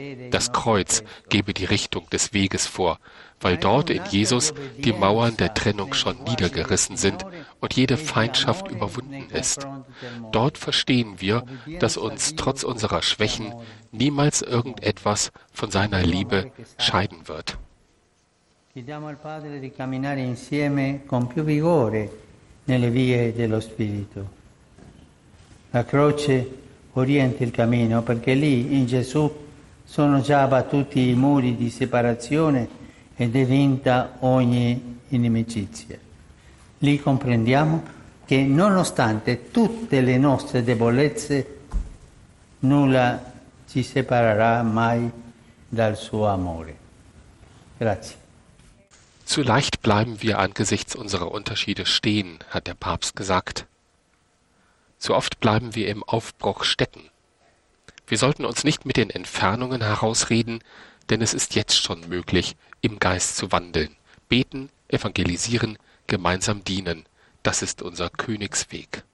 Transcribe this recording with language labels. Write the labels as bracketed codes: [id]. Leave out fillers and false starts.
[de] Das Kreuz gebe die Richtung des Weges vor, weil dort in Jesus die Mauern der Trennung schon niedergerissen sind und jede Feindschaft überwunden ist. Dort verstehen wir, dass uns trotz unserer Schwächen niemals irgendetwas von seiner Liebe scheiden wird. [it] Chiediamo al Padre di camminare insieme con più vigore nelle vie dello Spirito. La croce orienta il cammino, perché lì in Gesù sono già abbattuti i muri di separazione ed è vinta ogni inimicizia. Lì comprendiamo che nonostante tutte le nostre debolezze, nulla ci separerà mai dal suo amore. Grazie. [de] Zu leicht bleiben wir angesichts unserer Unterschiede stehen, hat der Papst gesagt. Zu oft bleiben wir im Aufbruch stecken. Wir sollten uns nicht mit den Entfernungen herausreden, denn es ist jetzt schon möglich, im Geist zu wandeln, beten, evangelisieren, gemeinsam dienen. Das ist unser Königsweg.